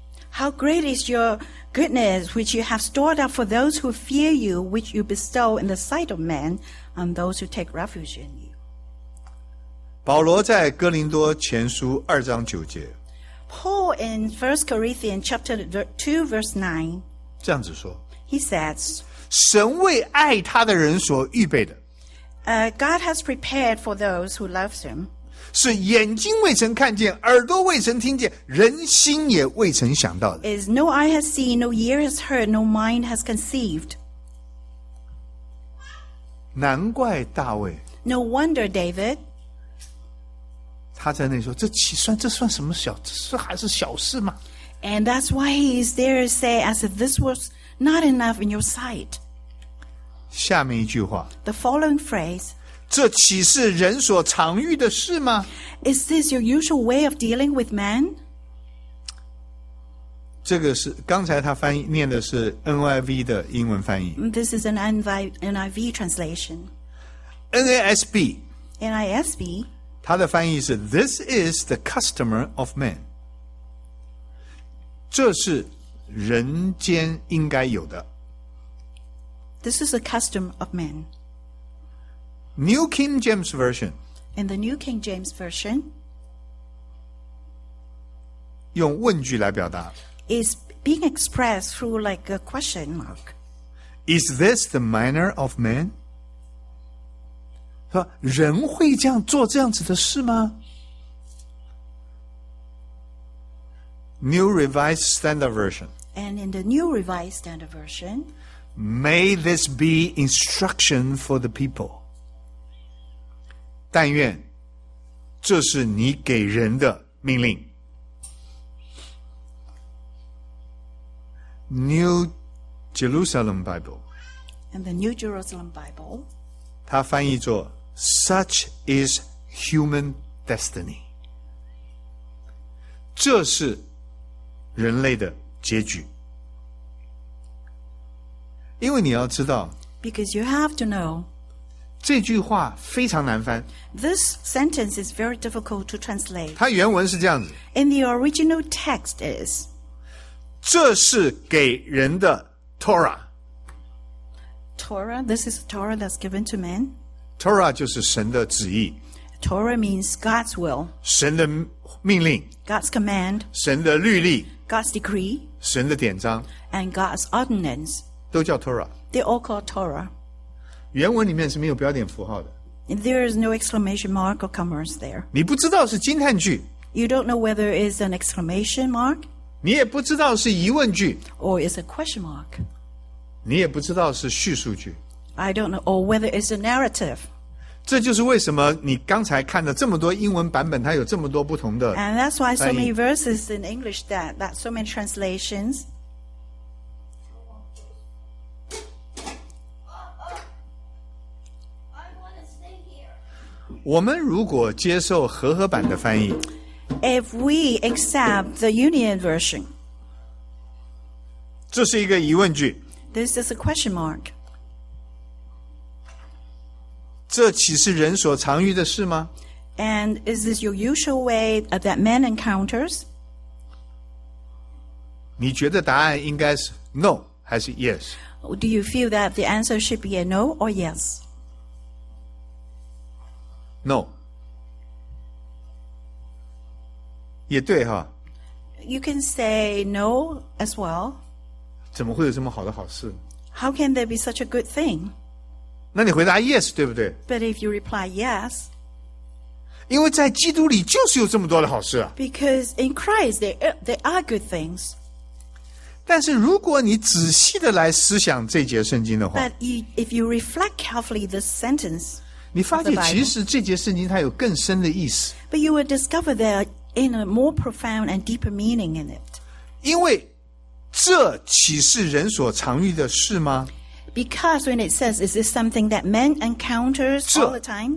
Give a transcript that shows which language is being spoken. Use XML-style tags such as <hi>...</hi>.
<en>How great is your goodness which you have stored up for those who fear you which you bestow in the sight of men on those who take refuge in you</en> <zh>保罗在哥林多前书二章九节</zh> <en>Paul in 1 Corinthians chapter 2 verse 9</en> <zh>这样子说</zh> <en>He says</en> <zh>神为爱他的人所预备的</zh> <en>God has prepared for those who love him</en> <zh>是眼睛未曾看见耳朵未曾听见人心也未曾想到的</zh> <en>Is no eye has seen, no ear has heard, no mind has conceived</en> <zh>难怪大卫</zh> <en>No wonder David</en> <zh>他在那里说这算什么小这还是小事吗</zh> <en>And that's why he is there to say as if this was not enough in your sight</en> <zh>下面一句话</zh> <en>The following phrase</en> <zh>这岂是人所常遇的事吗</zh> <en>Is this your usual way of dealing with men</en> <zh>这个是刚才他翻译念的是 NIV 的英文翻译</zh> <en>This is an NIV translation NASB NISB</en> <zh>他的翻译是</zh> <en>This is the customer of man</en> <zh>这是人间应该有的</zh> <en>This is the custom of man New King James Version In the New King James Version</en> <zh>用问句来表达</zh> <en>Is being expressed through like a question mark Is this the manner of man?</en> <zh>说人会这样做这样子的事吗 New Revised Standard Version</zh> <en>And in the New Revised Standard Version May this be instruction for the people</en> <zh>但愿这是你给人的命令</zh> <en>New Jerusalem Bible And the New Jerusalem Bible</en> <zh>它翻译作</zh> <en>Such is human destiny.</en> <zh>这是人类的结局。因为你要知道</zh> <en>Because you have to know.</en> <zh>这句话非常难翻。</zh> <en>This sentence is very difficult to translate.</en> <zh>它原文是这样子。</zh> <en>In the original text is.</en> <zh>这是给人的 Torah.</zh> <en>Torah? This is Torah that's given to men?</en> <zh>Torah 就是神的旨意</zh> <en>Torah means God's will</en> <zh>神的命令</zh> <en>God's command</en> <zh>神的律例</zh> <en>God's decree</en> <zh>神的典章</zh> <en>And God's ordinance</en> <zh>都叫 Torah.</zh> <en>They're all called Torah.</en> <zh>原文里面是没有标点符号的。</zh> <en>There is no exclamation mark or commas there.</en> <zh>你不知道是惊叹句。</zh> <en>You don't know whether it is an exclamation mark.</en> <zh>你也不知道是疑问句。</zh> <en>Or is a question mark.</en> <zh>你也不知道是叙述句。</zh> <en>I don't know, or whether it's a narrative.</en> <zh>这就是为什么你刚才看了这么多英文版本，它有这么多不同的翻译。</zh> <en>And that's why so many verses in English that so many translations.</en> <zh>我们如果接受和合版的翻译</zh> <en>If we accept the Union version</en> <zh>这是一个疑问句</zh> <en>This is a question mark</en> <zh>这岂是人所常遇的事吗</zh> <en>And is this your usual way that man encounters?</en> <zh>你觉得答案应该是 no 还是 yes?</zh> <en>Do you feel that the answer should be a no or yes? No.</en> <zh>也对哈。</zh> <en>You can say no as well.</en> <zh>怎么会有这么好的好事</zh> <en>How can there be such a good thing?</en> <zh>那你回答 yes, 对不对</zh> <en>But if you reply yes.</en> <zh>因为在基督里就是有这么多的好事啊。</zh> <en>Because in Christ, there are good things.</en> <zh>但是如果你仔细的来思想这节圣经的话。</zh> <en>But if you reflect carefully this sentence,</en> <zh>你发觉其实这节圣经它有更深的意思。</zh> <en>But you will discover there in a more profound and deeper meaning in it.</en> <zh>因为这岂是人所常遇的事吗</zh> <en>？Because when it says, "Is this something that man encounters all the time?"</en>